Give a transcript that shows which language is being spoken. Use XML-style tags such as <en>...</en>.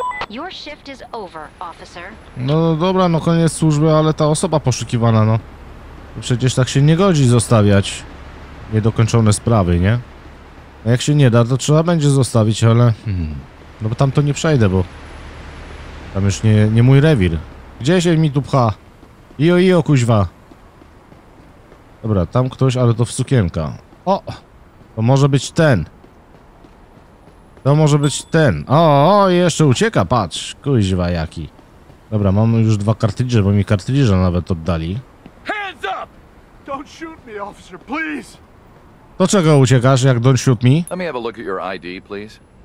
<en>Your shift is over, officer.</en> <pl>No dobra, no koniec służby, ale ta osoba poszukiwana, no. Przecież tak się nie godzi zostawiać niedokończone sprawy, nie? A jak się nie da, to trzeba będzie zostawić, ale... No bo tam to nie przejdę, bo... Tam już nie mój rewir. Gdzie się mi tu pcha? Io, kuźwa! Dobra, tam ktoś, ale to w sukienka. O! To może być ten. To może być ten. O, jeszcze ucieka, patrz. Kuźwa jaki. Dobra, mam już dwa kartridże, bo mi kartridże nawet oddali.</pl> <en>Hands up! Don't shoot me, officer, please!</en> <pl>Do czego uciekasz, jak</pl> <en>don't shoot me? Let me have a look at your ID, please.</en>